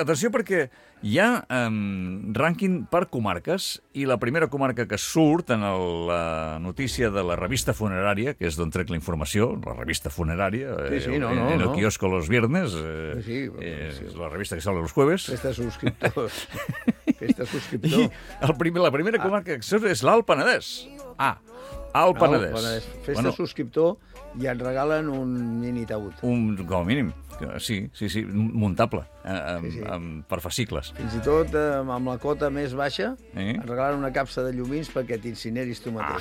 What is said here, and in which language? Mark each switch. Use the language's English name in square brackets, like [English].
[Catalan] Atenció, perquè hi ha rànquing per comarques, i la primera comarca que surt en la notícia de la revista funerària, que és d'on trec la informació, la revista funerària, en [Spanish] el quiosco los viernes, la revista que sale los jueves. [Catalan] Estes subscriptors... I la primera comarca que surt és l'Alt Penedès. Alt Penedès. Festa subscriptor i et regalen un mini taüt. Com a mínim, sí, muntable, per fascicles. Fins i tot amb la cota més baixa et regalen una capsa de llumins perquè t'incineris tu mateix.